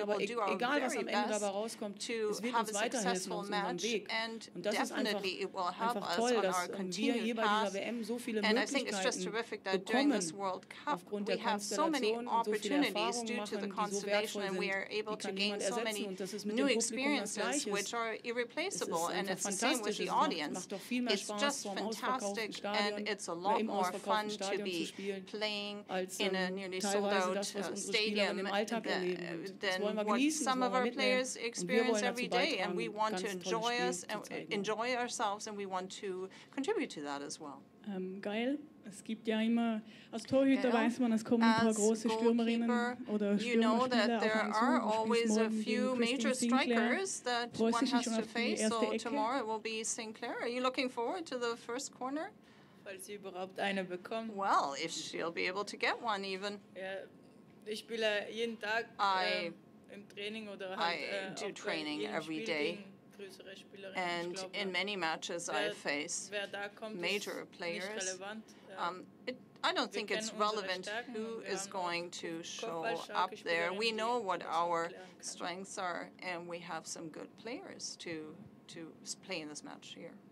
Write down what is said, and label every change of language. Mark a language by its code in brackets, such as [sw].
[de] Aber egal, was am Ende dabei rauskommt, es wird uns weiterhelfen auf unserem Weg. Und das ist einfach toll, dass wir hier bei dieser WM so viele Möglichkeiten bekommen, aufgrund der Konstellation und so viele Erfahrungen machen, die so wertvoll sind. Die kann niemand ersetzen, und das ist mit dem Publikum das Gleiche. Es ist einfach fantastisch, es macht doch viel mehr Spaß, [en] just fantastic, and it's a lot more fun to be playing in a nearly sold-out stadium than what some of our players experience every day, and we want to enjoy ourselves, and we want to contribute to that as well. [de] Geil. Es gibt ja immer, als Torhüter weiß man, es kommen ein paar große Stürmerinnen oder Stürmerspieler auf einen zu. Du spielst morgen gegen Christine Sinclair, freust dich schon auf die erste Ecke? [en] Tomorrow will be Sinclair. Are you looking forward to the first corner? [de] Falls sie überhaupt eine bekommt. [en] Well, if she'll be able to get one even. [de] Ja, ich spiele jeden Tag im Training oder halt auch [en] training every day. And in many matches I face major players. I don't think it's relevant who is going to show up there. We know what our strengths are, and we have some good players to play in this match here.